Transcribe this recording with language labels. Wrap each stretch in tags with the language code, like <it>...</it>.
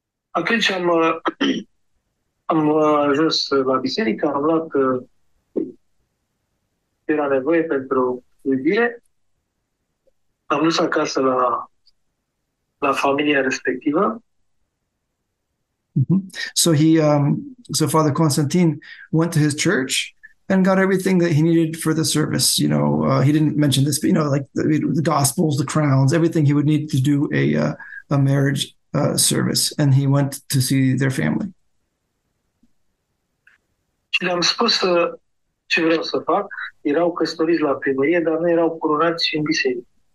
<ro>Atunci am ajuns la biserică, am luat ce era nevoie pentru iubire, am dus acasă la familia respectivă. Mm-hmm.</ro> <en>So he, so Father Constantine went to his church and got everything that he needed for the service. You know, he didn't mention this, but you know, like the gospels, the crowns, everything he would need to do a marriage service. And he went to see their family.</en> <ro>Și le-am spus ce vreau să fac. Erau căsătoriți la primărie, dar nu erau coronați în biserică.</ro>